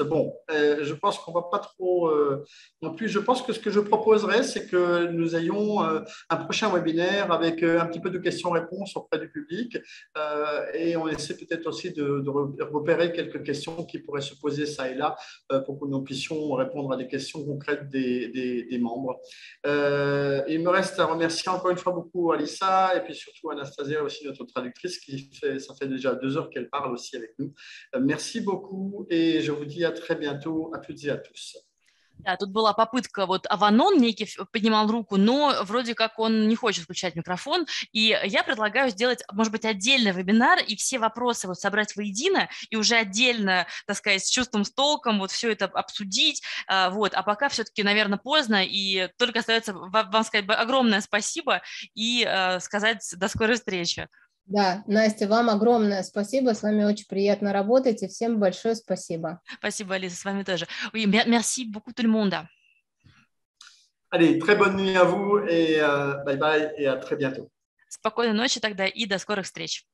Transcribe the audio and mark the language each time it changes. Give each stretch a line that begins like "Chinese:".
French: Bon, je pense qu'on ne va pas trop... non plus, je pense que ce que je proposerais, c'est que nous ayons un prochain webinaire avec un petit peu de questions-réponses auprès du public et on essaie peut-être aussi de repérer quelques questions qui pourraient se poser ça et là pour que nous puissions répondre à des questions concrètes des membres. Il me reste à remercier encore une fois beaucoup Alissa et puis surtout Anastasia, aussi notre traductrice, qui fait, ça fait déjà deux heures qu'elle parle aussi avec nous. Merci beaucoup et je vous dis à très bientôt à toutes et à tous.
Russian: Да, тут была попытка, вот Аванон некий поднимал руку, но вроде как он не хочет включать микрофон, и я предлагаю сделать, может быть, отдельный вебинар и все вопросы вот собрать воедино и уже отдельно, так сказать, с чувством, с толком вот все это обсудить, вот, а пока все-таки, наверное, поздно, и только остается вам сказать огромное спасибо и сказать до скорой встречи. Да, Настя, вам огромное спасибо, с вами очень приятно работать, и всем большое спасибо. Спасибо, Алиса, с вами тоже.
French: Oui, merci beaucoup tout le monde. Allez, très bonne nuit à vous, et bye-bye, et à très bientôt.
Russian: Спокойной ночи тогда, и до скорых встреч.